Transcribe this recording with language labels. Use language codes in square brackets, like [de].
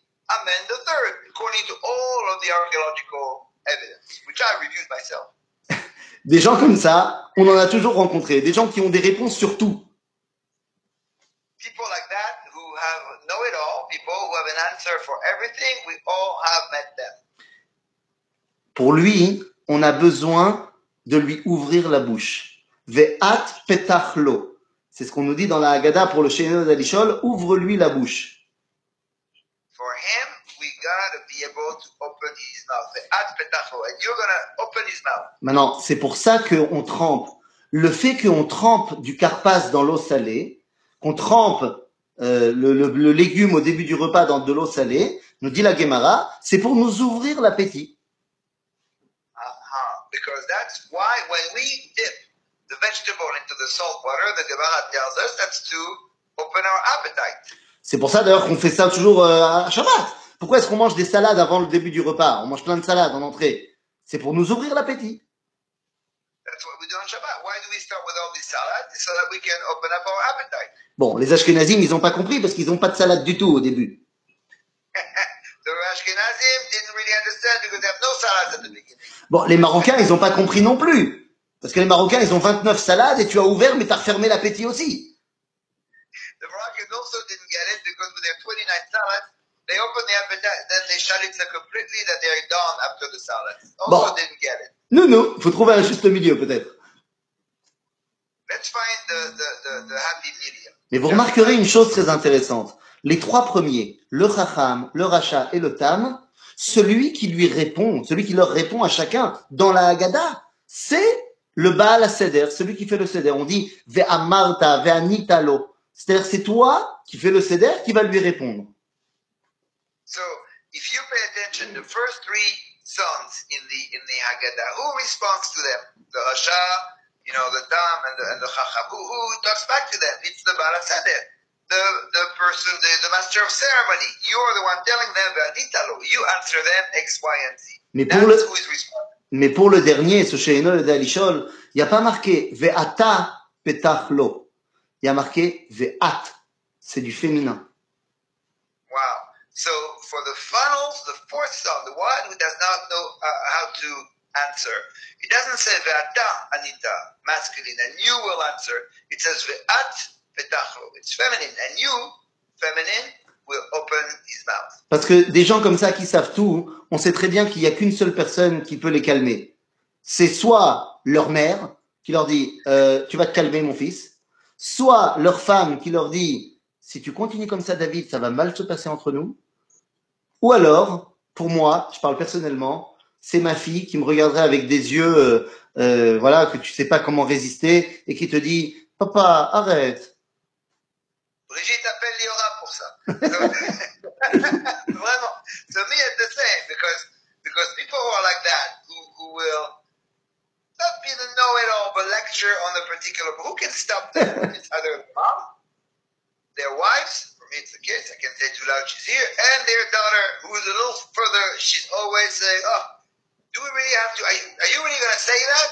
[en] Amen the third, according to all of the archaeological evidence, which I reviewed myself. [fr] Des gens comme ça, on en a toujours rencontré. Des gens qui ont des réponses sur tout. [en] People like that who have know-it-all, people who have an answer for everything, we all have met them. [fr] Pour lui, on a besoin de lui ouvrir la bouche. [he] Ve'at petachlo. [fr] C'est ce qu'on nous dit dans la Haggadah pour le Sheinu Dalishol. Ouvre-lui la bouche. [en] For him, we gotta be able to open his mouth. [he] Ve'at petachlo. [en] And you're gonna open his mouth. [fr] Maintenant, c'est pour ça qu'on trempe. Le fait qu'on trempe du karpas dans l'eau salée, qu'on trempe le légume au début du repas dans de l'eau salée, nous dit la Gemara, c'est pour nous ouvrir l'appétit. [en] Because that's why when we dip the vegetable into the salt water, the Gemara tells us that's to open our appetite. [fr] C'est pour ça d'ailleurs qu'on fait ça toujours à Shabbat. Pourquoi est-ce qu'on mange des salades avant le début du repas? On mange plein de salades en entrée. C'est pour nous ouvrir l'appétit. [en] That's what we do on Shabbat. Why do we start with all these salads? So that we can open up our appetite. [fr] Bon, les Ashkenazim, ils n'ont pas compris parce qu'ils n'ont pas de salade du tout au début. [en] The Ashkenazim didn't really understand because they have no salads at the beginning. [fr] Bon, les Marocains, ils n'ont pas compris non plus. Parce que les Marocains, ils ont 29 salades et tu as ouvert, mais tu as refermé l'appétit aussi. [en] The Moroccans also didn't get it because with their 29 salads, they opened the appetite, then they shut it so completely that they're done after the salads. [fr] Bon. [en] Also didn't get it. [fr] Non, non, il faut trouver un juste milieu peut-être. [en] Let's find the happy medium. [fr] Mais vous remarquerez une chose très intéressante. Les trois premiers, le Chacham, le Racha et le Tam, celui qui lui répond, celui qui leur répond à chacun dans la Haggadah, c'est le Baal HaSeder, celui qui fait le Seder. On dit « [he] Ve'amarta, ve'anitalo [fr] ». C'est-à-dire, c'est toi qui fais le Seder qui va lui répondre. [en] So, if you pay attention, the first three sons in the Haggadah, who responds to them? The Racha, you know, the Tam and the Chacham. Who talks back to them? It's the Baal HaSeder. The person, the master of ceremony, you are the one telling them, Anitalo, you answer them X, Y, and Z. [fr] Mais pour [en] that's [fr] le, [en] who is responsible. [fr] Mais pour le dernier, ce Sheino de Alishol, il n'y a pas marqué [he] Ve'ata Petachlo. [fr] Il y a marqué Ve'at. C'est du féminin. [en] Wow. So, for the final, the fourth son, the one who does not know how to answer, it doesn't say [he] Ve'ata Anita, [en] masculine, and you will answer. It says Ve'at. It's feminine, and you, feminine, will open his mouth. [fr] Parce que des gens comme ça qui savent tout, on sait très bien qu'il n'y a qu'une seule personne qui peut les calmer. C'est soit leur mère qui leur dit « Tu vas te calmer, mon fils », soit leur femme qui leur dit « Si tu continues comme ça, David, ça va mal se passer entre nous », ou alors, pour moi, je parle personnellement, c'est ma fille qui me regarderait avec des yeux voilà, que tu ne sais pas comment résister et qui te dit « Papa, arrête. Brigitte appelle Liora pour ça. Vraiment. [en] So me it's the same because people who are like that who will not be the know-it-all but lecture on a particular but who can stop them? It's either mom, their wives, for me it's the kids, I can say too loud she's here, and their daughter who is a little further, she's always saying, oh, do we really have to, are you really going to say that?